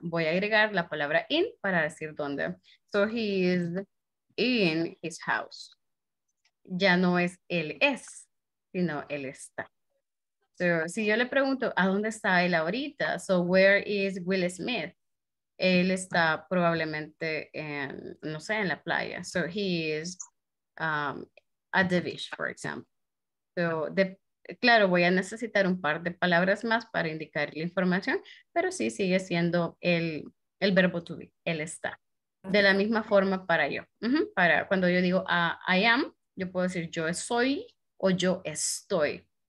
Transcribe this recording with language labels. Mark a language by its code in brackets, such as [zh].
[es] Voy a agregar la palabra in para decir dónde. [en] So he is in his house. [es] Ya no es él es, sino él está. So si yo le pregunto, ¿a dónde está él ahorita? [en] So where is Will Smith? [es] Él está probablemente en, no sé, en la playa. [en] So he is at the beach, for example. [es] So, claro, voy a necesitar un par de palabras más para indicar la información, pero sí sigue siendo el verbo to be, él está. De la misma forma para yo. Uh-huh. Para cuando yo digo [en] I am, [es] yo puedo decir yo soy o yo estoy.